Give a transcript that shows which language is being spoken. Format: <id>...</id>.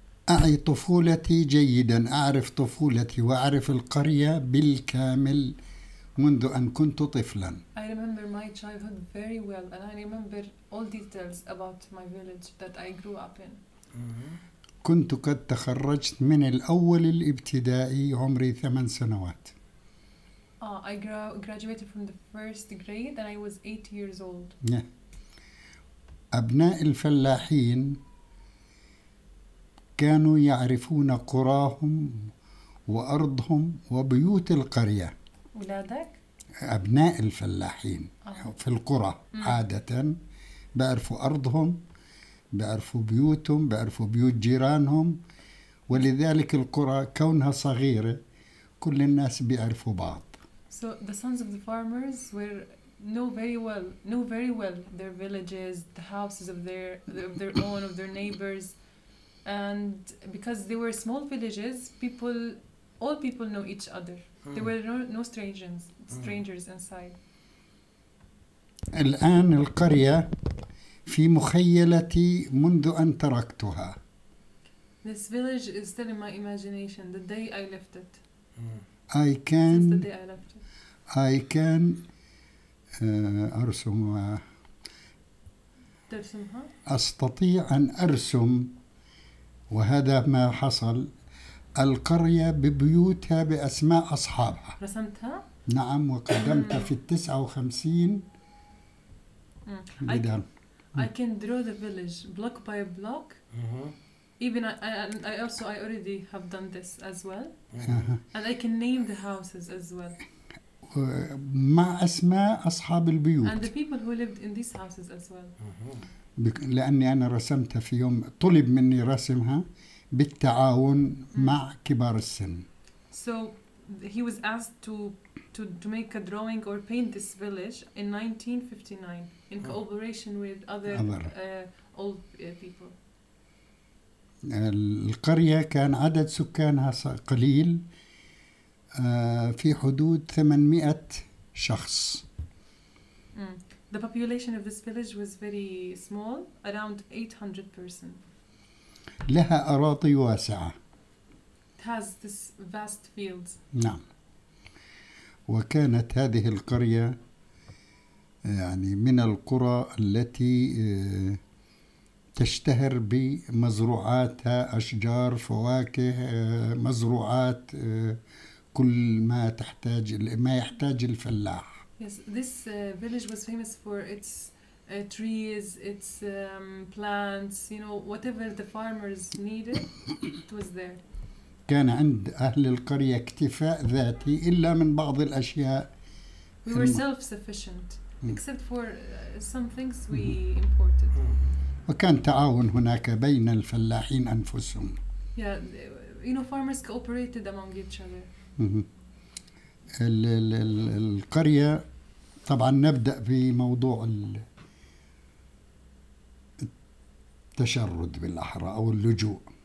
<ar>أعي طفولتي جيدا، أعرف طفولتي وأعرف القرية بالكامل منذ أن كنت طفلا.</ar> <en>I remember my childhood very well and I remember all details about my village that I grew up in.</en> <ar>كنت قد تخرجت من الأول الابتدائي عمري 8 سنوات.</ar> <en>I graduated from the first grade and I was 8 years old. Yeah.</en> <ar>أبناء الفلاحين كانوا يعرفون قراهم وأرضهم وبيوت القرية. ولادك؟ أبناء الفلاحين في القرى عادة بيعرفوا أرضهم، بيعرفوا بيوتهم، بيعرفوا بيوت جيرانهم، ولذلك القرى كونها صغيرة كل الناس بيعرفوا بعض.</ar> <en>So the sons of the farmers were know very well their villages, the houses of their own, of their neighbors, and because they were small villages, all people know each other. There were no strangers inside.</en> <ar>الآن القرية في مخيلتي منذ أن تركتها.</ar> <en>This village is still in my imagination. The day I left it. I can</en> <ar>أرسم ترسمها؟ أستطيع أن أرسم، وهذا ما حصل، القرية ببيوتها بأسماء أصحابها. رسمتها؟ نعم، وقدمتها في 59.</ar> <en>I can draw the village block by block. Even I already have done this as well. And I can name the houses as well.</en> <ar>مع أسماء أصحاب البيوت.</ar> <en>And the people who lived in these houses as well.</en> <ar>لأني أنا رسمتها في يوم طلب مني رسمها بالتعاون مع كبار السن.</ar> <en>So he was asked to make a drawing or paint this village in 1959 in cooperation with other old people.</en> <ar>القرية كان عدد سكانها قليل. في حدود 800 شخص.</ar> <en>The population of this village was very small, around 800 persons.</en> <ar>لها أراضي واسعة.</ar> <en>It has this vast fields.</en> <ar>نعم. وكانت هذه القرية يعني من القرى التي تشتهر بمزروعاتها، أشجار، فواكه، مزروعات، كل ما تحتاج ما يحتاج الفلاح.</ar> <en>Yes, this village was famous for its trees, its plants, you know, whatever the farmers needed, it was there.</en> <ar>كان عند أهل القرية اكتفاء ذاتي إلا من بعض الأشياء.</ar> <en>We were self-sufficient, except for some things we imported.</en> <ar>وكان تعاون هناك بين الفلاحين أنفسهم.</ar> <en>Yeah, you know, farmers cooperated among each other.</en> <ar>القرية طبعا نبدأ في موضوع التشرد بالأحرى أو اللجوء.</ar>